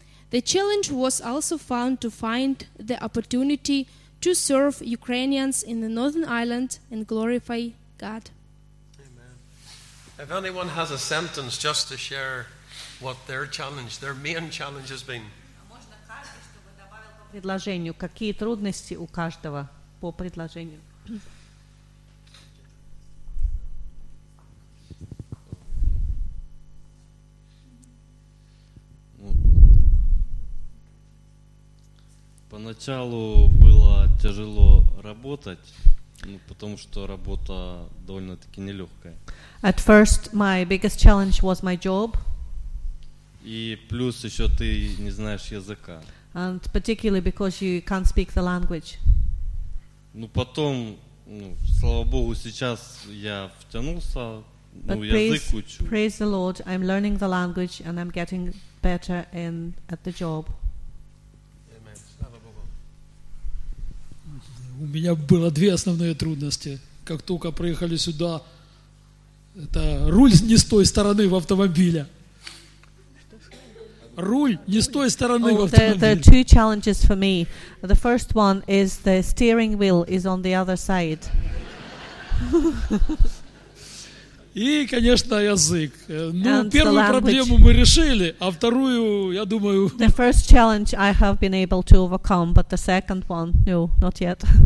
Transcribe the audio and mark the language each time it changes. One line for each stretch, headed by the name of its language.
English: The challenge was also found to find the opportunity to serve Ukrainians in the Northern Ireland and glorify God. Amen. If anyone has a sentence just to share what their challenge, their main challenge has been.
Russian: Можно каждый, чтобы добавил по предложению, какие трудности у каждого по предложению. Поначалу было тяжело работать, ну, потому что работа довольно-таки нелегкая.
English: At first, my biggest challenge was my job.
Russian: И плюс еще ты не знаешь языка.
English: And particularly because you can't speak the language.
Russian: Ну потом, ну, слава Богу, сейчас я втянулся,
English: But
Russian: ну, язык учу.
English: Praise the Lord, I'm learning the language and I'm getting better at the job.
Russian: У меня было две основные трудности. Как только приехали сюда, это руль не с той стороны в автомобиле. руль не с той стороны в автомобиле.
English: There are two challenges for me. The first one is the steering wheel is on the other side.
Russian: И, конечно, язык. Ну,
English: and
Russian: первую проблему мы решили, а вторую, я думаю...
English: The first challenge I have been able to overcome, but the second one, no, not yet.